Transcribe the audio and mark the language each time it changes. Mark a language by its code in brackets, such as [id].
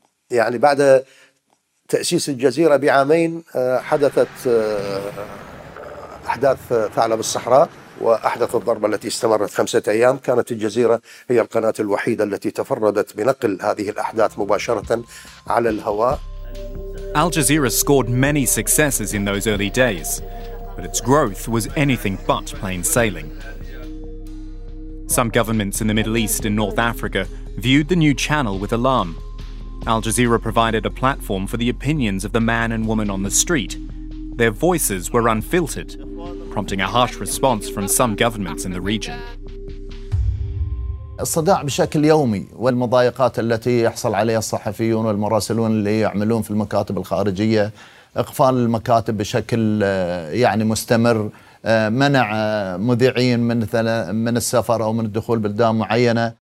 [ar] يعني بعد تأسيس الجزيرة بعامين حدثت أحداث ثعلب الصحراء. وأحدث الضربة التي استمرت خمسة أيام كانت الجزيرة هي القناة الوحيدة التي تفردت بنقل هذه الأحداث مباشرة على الهواء. [en] Al Jazeera scored many successes in those early days, but its growth was anything but plain sailing. Some governments in the Middle East and North Africa viewed the new channel with alarm. Al Jazeera provided a platform for the opinions of the man and woman on the street. Their voices were unfiltered, prompting a harsh response from some governments in the region. [ar] الصداع بشكل يومي والمضايقات التي يحصل عليها الصحفيون والمراسلون اللي يعملون في المكاتب الخارجية، إقفال المكاتب بشكل يعني مستمر، منع مذيعين من السفر أو من الدخول بلدان معينة.